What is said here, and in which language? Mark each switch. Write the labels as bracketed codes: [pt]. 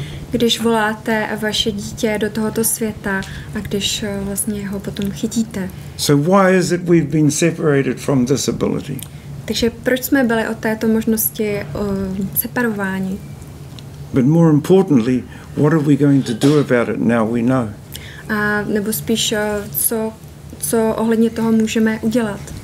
[cs] Když voláte vaše dítě do tohoto světa a když vlastně ho potom chytíte. [en] So why is it we've been separated from this ability? [cs] Takže proč jsme byli od této možnosti separováni? [en] But more importantly, what are we going to do about it now we know? [cs] A nebo spíš co ohledně toho můžeme udělat?